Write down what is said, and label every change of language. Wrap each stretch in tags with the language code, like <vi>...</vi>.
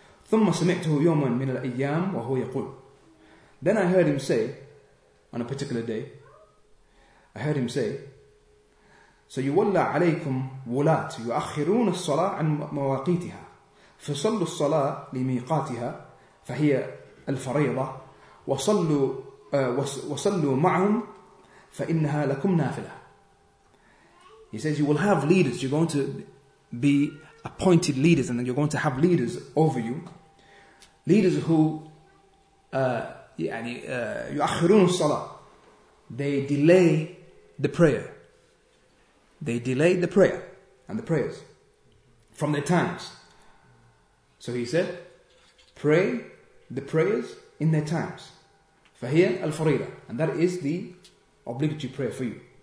<ar>ثُمَّ سَمِعْتَهُ يَوْمًا مِنَ الْأَيَّامِ وَهُوَ يَقُولُ</ar> <en>Then I heard him say,</en> <ar>on a particular day, I heard him say, سَيُوَلَّ عَلَيْكُمْ وُلَاتِ يُؤَخِّرُونَ الصَّلَاةَ عَنْ مَوَاقِيتِهَا فَصَلُّوا الصَّلَاةَ لِمِيقَاتِهَا فَهِيَ الْفَرِيضَةُ وَصَلُّوا مَعْهُمْ فَإِنَّهَا لَكُمْ نَافِلَةٌ</ar> <en>He says, you will have leaders. You're going to be appointed leaders, and then you're going to have leaders over you. Leaders who,</en> <ar>يؤخرون الصلاة.</ar> <en>They delay the prayer. They delay the prayer and the prayers from their times. So he said, pray the prayers in their times.</en> <ar>فهي الفريضة.</ar> <en>And that is the obligatory prayer for you.</en>